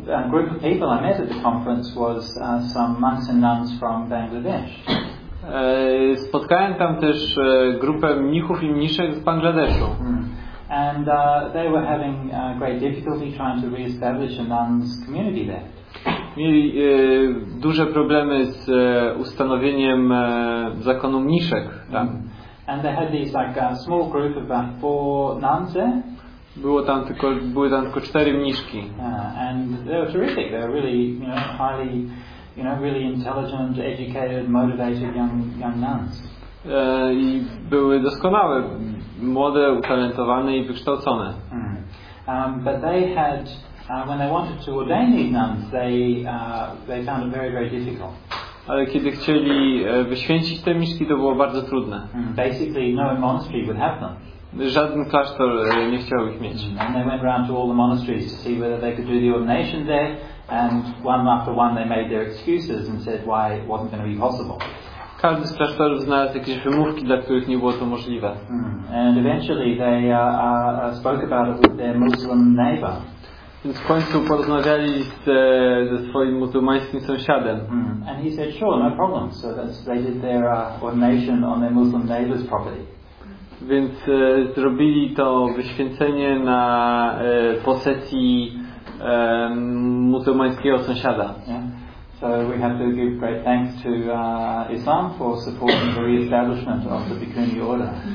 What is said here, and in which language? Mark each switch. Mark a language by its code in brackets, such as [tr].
[en] Group of people I met at the conference was some monks and nuns from Bangladesh. [pl] Spotkałem tam też grupę mnichów i mniszek z Bangladeszu. [en] And they were having great difficulty trying to re-establish a nuns community there. [pl] Mieli duże problemy z ustanowieniem zakonu mniszek tam. [en] And they had these like a small group of about 4 nuns there. [pl] Były tam tylko 4 mniszki. [en] And they were terrific. They were really, highly, really intelligent, educated, motivated young nuns. [pl] I były doskonałe, młode, utalentowane i wykształcone. [en] But they had when they wanted to ordain these nuns, they found it very, very difficult. [pl] Ale kiedy chcieli wyświęcić te mniszki, to było bardzo trudne. [en] Basically, no monastery would have them. [pl] Żaden klasztor nie chciał ich mieć. [en] And they went around to all the monasteries to see whether they could do the ordination there, and one after one they made their excuses and said why it wasn't going to be possible. [pl] Każdy z klasztorów znalazł jakieś wymówki, dla których nie było to możliwe. [en] And eventually they spoke about it with their Muslim neighbor. [pl] Więc w końcu porozmawiali ze swoim muzułmańskim sąsiadem. [en] And he said, sure, no problem. So they did their ordination on their Muslim neighbor's property. [pl] Więc zrobili to wyświęcenie na posesji muzułmańskiego sąsiada. [en] Yeah. So we have to give great thanks to Islam for supporting the re-establishment of the Bikuni order.